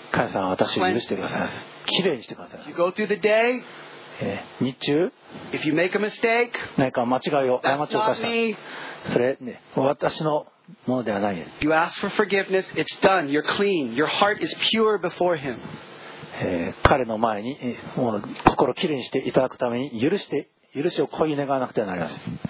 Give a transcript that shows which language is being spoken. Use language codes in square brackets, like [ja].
[ja] 神様は私を許してください。きれいにしてください。 [en] you go through the day, [ja] 日中 [en] if you make a mistake, [ja] 何か間違いを過ちを犯した [en] me, [ja] それ、ね、私のものではないです。 [en] you ask for forgiveness, it's done, you're clean, your heart is pure before him. [ja] 彼の前にもう心をきれいにしていただくために許しを恋願わなくてはなりません。